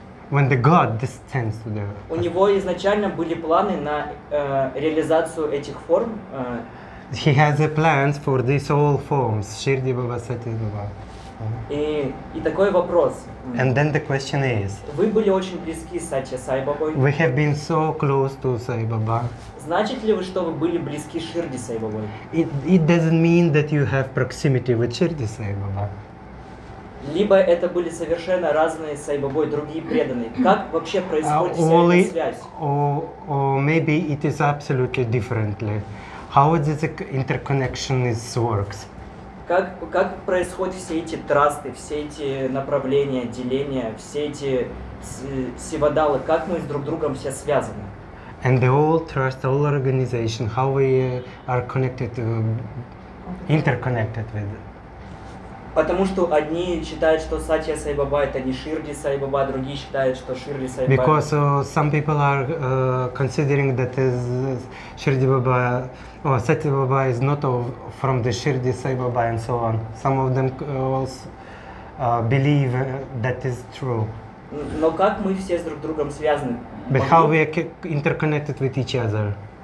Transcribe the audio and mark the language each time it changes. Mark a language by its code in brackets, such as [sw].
[en] When the God descends to the earth. [ru] У него изначально были планы на реализацию этих форм. [en] He has a plans for these all forms. Ширди Баба, Сатья Баба. [ru] И такой вопрос. [en] And then the question is. [ru] Вы были очень близки с Сатья Сай Бабой. [en] We have been so close to Sai Baba. [ru] Значит ли вы, что вы были близки с Ширди Сай Бабой? [en] It doesn't mean that you have proximity with Ширди Сай Баба. [ru] Либо это были совершенно разные Сай Бабой, другие преданные. Как вообще происходит вся эта связь? [en] Or maybe it is absolutely differently. How this interconnection is works? [ru] Как происходят все эти трасты, все эти направления, деления, все эти сивадалы, как мы с друг другом все связаны? [en] And the whole trust, all organization, how we are connected, interconnected with it. [ru] Потому что одни считают, что Сатья Сай Баба это не Ширди Сай Баба, другие считают, что Ширди Сай Баба. [en] Because some people are considering that is Ширди Баба, or Сатья Баба is not from the Ширди Сай Баба and so on. Some of them also believe that is true. [ru] Но как мы все с друг другом связаны? [en] But how we are interconnected with each other?